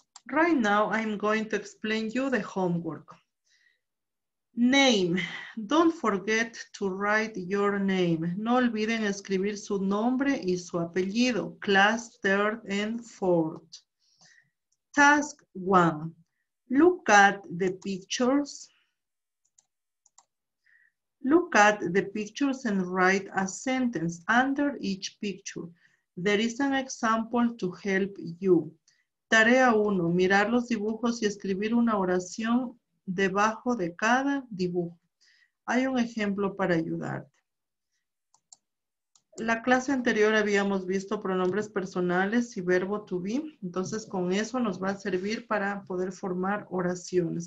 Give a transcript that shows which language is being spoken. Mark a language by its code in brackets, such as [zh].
[en] Right now, I'm going to explain you the homework. Name. Don't forget to write your name. [es] No olviden escribir su nombre y su apellido. [en] Class, third, and fourth. Task one. Look at the pictures. Look at the pictures and write a sentence under each picture. There is an example to help you. [es] Tarea 1. Mirar los dibujos y escribir una oración debajo de cada dibujo. Hay un ejemplo para ayudarte. La clase anterior habíamos visto pronombres personales y verbo to be. Entonces, con eso nos va a servir para poder formar oraciones.